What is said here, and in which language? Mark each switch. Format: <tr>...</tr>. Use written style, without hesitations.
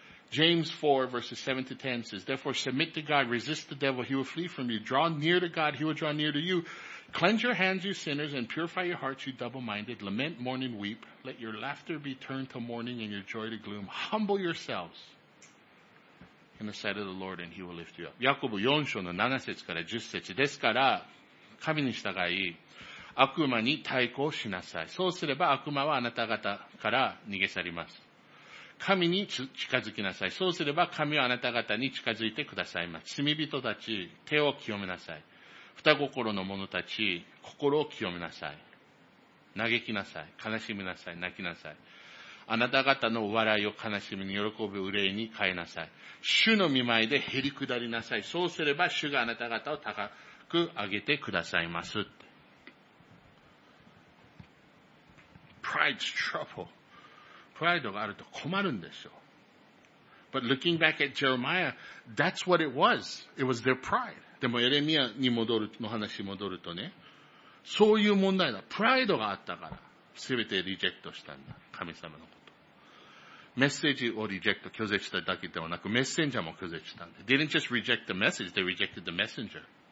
<en>James 4, verses 7 to 10 says, Therefore, submit to God, resist the devil, he will flee from you. Draw near to God, he will draw near to you. Cleanse your hands, you sinners, and purify your hearts, you double-minded. Lament, mourn, and weep. Let your laughter be turned to mourning and your joy to gloom. Humble yourselves. in the sight of the Lord and he will lift you up.</en> <ja>ヤコブ4章の7節から10節ですから、神に従い、悪魔に対抗しなさい。そうすれば悪魔はあなた方から逃げ去ります。神に近づきなさい。そうすれば神はあなた方に近づいてくださいます。罪人たち、手を清めなさい。双心の者たち、心を清めなさい。嘆きなさい。悲しみなさい。泣きなさい。あなた方の笑いを悲しみに喜ぶ憂いに変えなさい。主の御前でへりくだりなさい。そうすれば主があなた方を高く上げてくださいます。</ja> <en>Pride's trouble.</en> <ja>Pride があると困るんですよ。</ja> <en>But looking back at Jeremiah, that's what it was. It was their pride.</en> <ja>でもエレミアに戻るの話に戻るとね、そういう問題だ。 Pride があったから、すべてリジェクトしたんだ。神様のこと。メッセージをリジェクト、拒絶しただけではなく、メッセンジャーも拒絶したんだ。</ja> <en>They didn't just reject the message, they rejected the messenger.</en>